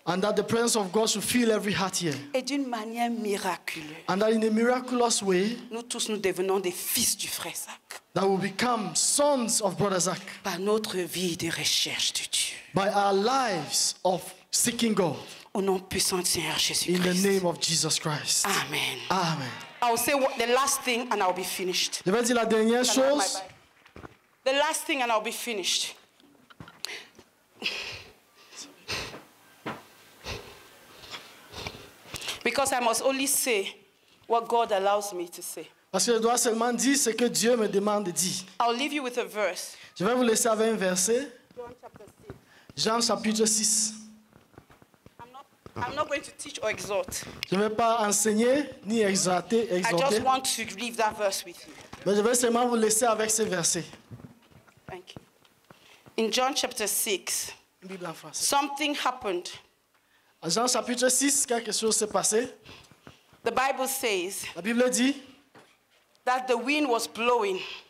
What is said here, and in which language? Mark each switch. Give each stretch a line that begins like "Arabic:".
English: and that the presence of God should fill every heart here,
French: et d'une manière miraculeuse,
English: and that in a miraculous way,
French: nous tous nous devenons des fils du frère Zach.
English: That will become sons of Brother Zach.
French: Par notre vie de recherche de Dieu.
English: By our lives of seeking God.
French: Au nom puissant de Seigneur Jésus Christ.
English: In the name of Jesus Christ. Amen. Amen. I'll say the last thing and I'll be finished.
French: Je vais dire la dernière chose.
English: The last thing and I'll be finished. Because I must only say what God allows me to say.
French: Parce que je dois seulement dire ce que Dieu me demande de dire.
English: I'll leave you with a verse.
French: Je vais vous laisser avec un verset.
English: John chapter 6. I'm not going to teach or exhort.
French: Je ne vais pas enseigner ni exhorter.
English: I just want to leave that verse with you.
French: Mais je vais seulement vous laisser avec ce verset.
English: Thank you. In John chapter 6,
French: Bible en français.
English: Something happened.
French: À Jean chapitre 6, quelque chose s'est passé.
English: The Bible says,
French: la Bible dit,
English: that the wind was blowing.